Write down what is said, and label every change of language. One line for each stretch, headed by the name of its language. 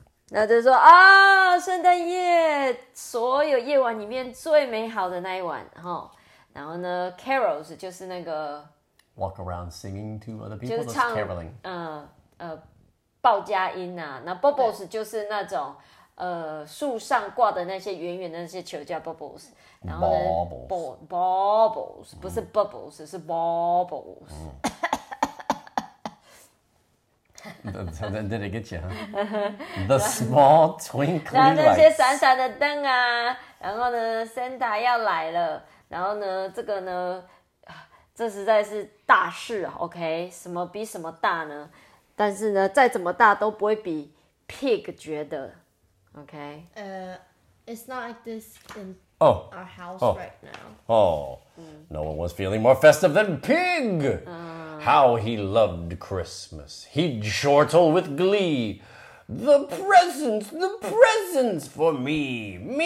Chinese: 那就是说啊，圣诞夜，所有夜晚里面最美好的那一晚，哈。然后呢 ，carols 就是那个
English: walk around singing to other people, just caroling.
Chinese: 报佳音啊。那 bubbles 就是那种。树上挂的那些圆圆的那些球叫 bubbles， 然后呢
English: bubbles
Chinese: 不是 bubbles，是 bubbles。
English: Did it get you? The small twinkly lights，
Chinese: 然后那些闪闪的灯啊，然后呢 ，Santa 要来了，然后呢，这个呢，这实在是大事 ，OK？什么比什么大呢？但是呢，再怎么大都不会比 Pig 觉得。
English: Okay. It's not like this in our house right now. Oh, no one was feeling more festive than Pig. How he loved Christmas. He'd chortle with glee. The presents for me.